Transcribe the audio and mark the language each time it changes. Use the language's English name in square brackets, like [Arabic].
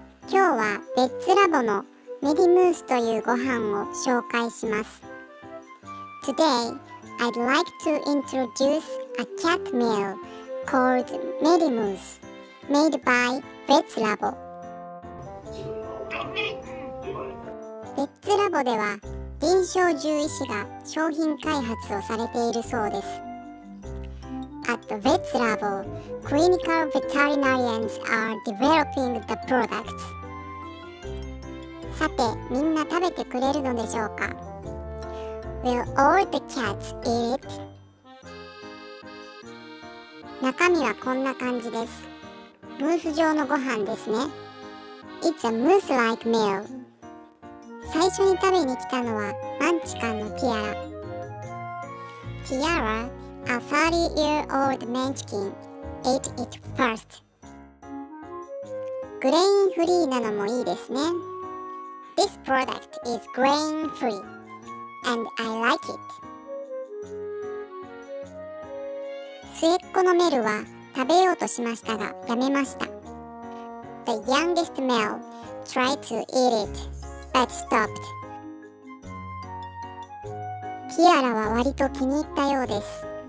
[Japanese] 今日はベッツラボのメディムースというご飯を紹介します。 [English] Today I'd like to introduce a cat meal called メディムース made by ベッツラボ。 [Japanese] ベッツラボでは臨床獣医師が商品開発をされているそうです。 [English] At the vet's level, clinical veterinarians are developing the products. [Japanese] さて、みんな食べてくれるのでしょうか? [English] Will all the cats eat it? [Japanese] 中身はこんな感じです。ムース状のご飯ですね。 [English] It's a mousse-like meal. [Japanese] 最初に食べに来たのはマンチカンのキアラ。キアラ? [English] A 30-year-old munchkin ate it first. [Japanese] グレインフリーなのもいいですね。 [English] This product is grain-free, and I like it. [Japanese] 末っ子のメルは食べようとしましたが、やめました。 [English] The youngest Mel tried to eat it, but stopped. [Japanese] キアラは割と気に入ったようです。